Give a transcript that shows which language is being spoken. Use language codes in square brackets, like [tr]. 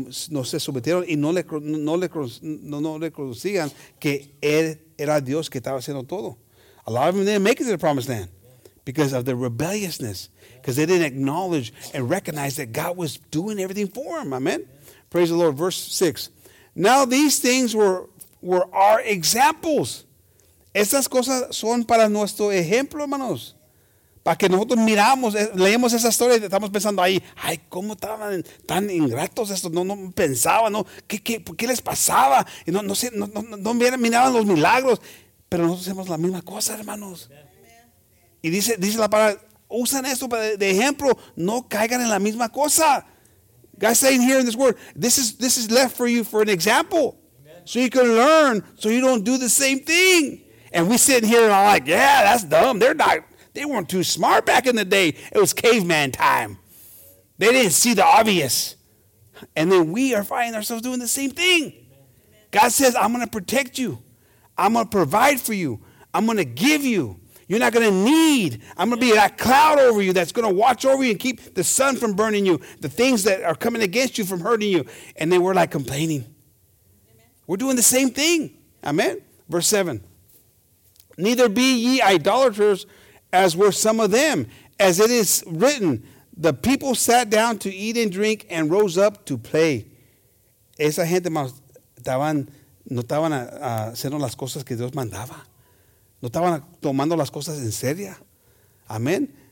[es] No se sometieron y no le conocían que él era Dios que estaba haciendo todo. [en] A lot of them didn't make it to the promised land because of their rebelliousness. Because they didn't acknowledge and recognize that God was doing everything for them. Amen. Praise the Lord. Verse 6. Now these things were our examples. [es] Estas cosas son para nuestro ejemplo, hermanos. Para que nosotros miramos, leemos esa historia y estamos pensando ahí, ay, cómo estaban tan ingratos estos, no pensaban, ¿no? ¿Qué les pasaba? Y no miraban los milagros. Pero nosotros hacemos la misma cosa, hermanos. Amen. Y dice la palabra, usan esto de ejemplo, no caigan en la misma cosa. [en] God's saying here in this word, this is left for you for an example. Amen. So you can learn, so you don't do the same thing. And we sitting here and I'm like, yeah, that's dumb, they weren't too smart back in the day. It was caveman time. They didn't see the obvious. And then we are finding ourselves doing the same thing. Amen. God says, I'm going to protect you. I'm going to provide for you. I'm going to give you. You're not going to need. I'm going to be that cloud over you that's going to watch over you and keep the sun from burning you, the things that are coming against you from hurting you. And then we're like complaining. Amen. We're doing the same thing. Amen. Verse 7. Neither be ye idolaters, as were some of them, as it is written, the people sat down to eat and drink and rose up to play. [es] Esa gente no estaban haciendo las cosas que Dios mandaba. No estaban tomando las cosas en serio. Amén.